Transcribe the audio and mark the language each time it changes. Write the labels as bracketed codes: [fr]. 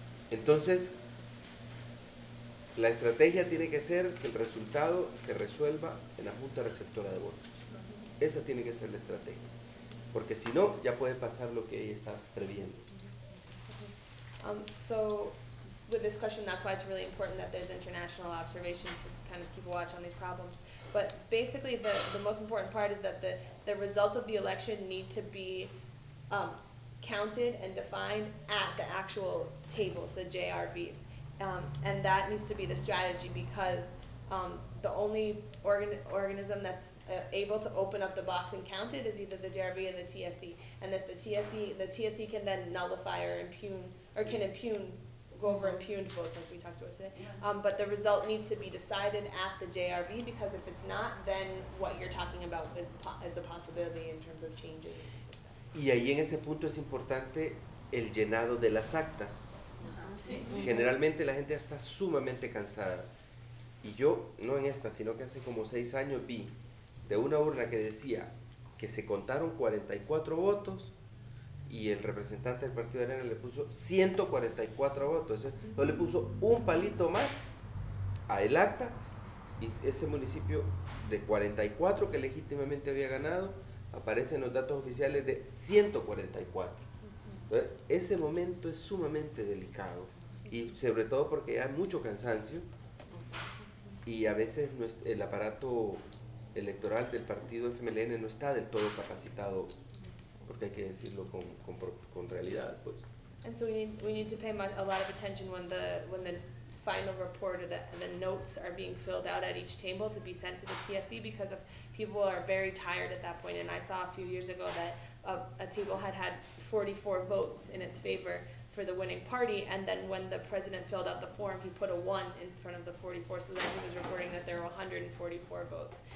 [es] Entonces, la estrategia tiene que ser que el resultado se resuelva en la junta receptora de votos. Esa tiene que ser la estrategia. Porque si no, ya puede pasar lo que ella está previendo. [en] So, with this question, that's why it's really important that there's international observation to kind of keep a watch on these problems. But basically, the most important part is that the results of the election need to be counted and defined at the actual tables, the JRVs. And that needs to be the strategy because the only organism that's able to open up the box and count it is either the JRV or the TSE. And if the TSE can then nullify or impugn, or can impugn, go over impugned votes like we talked about today. But the result needs to be decided at the JRV because if it's not, then what you're talking about is a possibility in terms of changes. [es] Y ahí en ese punto es importante el llenado de las actas. Sí. Generalmente la gente está sumamente cansada y yo, no en esta, sino que hace como 6 años vi de una urna que decía que se contaron 44 votos y el representante del Partido de Arena le puso 144 votos, entonces le puso un palito más a el acta y ese municipio de 44 que legítimamente había ganado aparece en los datos oficiales de 144. Ese momento es sumamente delicado y sobre todo porque hay mucho cansancio y a veces el aparato electoral del partido FMLN no está del todo capacitado, porque hay que decirlo con realidad, pues. [en] And so we need to pay a lot of attention when the final report or the notes are being filled out at each table to be sent to the TSE because of people are very tired at that point. And I saw a few years ago that a table had 44 votes in its favor for the winning party, and then when the president filled out the form, he put a 1 in front of the 44, so then he was reporting that there were 144 votes.